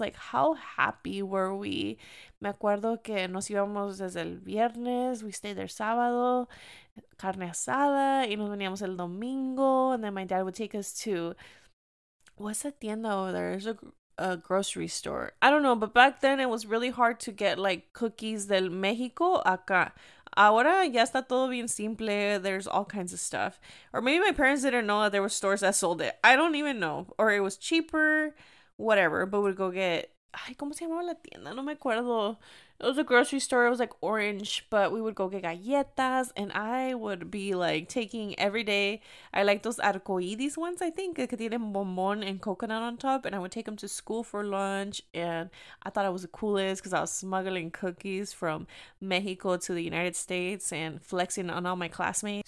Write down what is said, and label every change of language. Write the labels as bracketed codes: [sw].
[en] Like, how happy were we? [es] Me acuerdo que nos íbamos desde el viernes, [en] we stayed there [es] sábado, carne asada, y nos veníamos el domingo, [en] and then my dad would take us to, what's that tienda over there? There's a grocery store. I don't know, but back then it was really hard to get like cookies [es] del México acá. Ahora ya está todo bien simple. [en] There's all kinds of stuff. Or maybe my parents didn't know that there were stores that sold it. I don't even know. Or it was cheaper. Whatever. But we'd go get, [es] ay, ¿cómo se llamaba la tienda? No me acuerdo. [en] It was a grocery store. It was like orange. But we would go get galletas. And I would be like taking every day. I like those arcoíris ones, I think. [es] Que tienen bombón [en] and coconut on top. And I would take them to school for lunch. And I thought I was the coolest because I was smuggling cookies from Mexico to the United States and flexing on all my classmates.